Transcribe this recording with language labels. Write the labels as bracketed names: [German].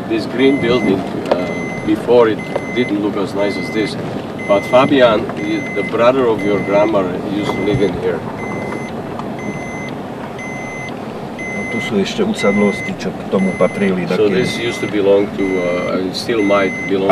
[English] This green building, before it didn't look as nice as this. But Fabian, the brother of your grandmother, used to live in here. [Slovak] No, tu sú ešte usadlosti, čo k tomu patrili. So také. [English] This used to belong to, still might belong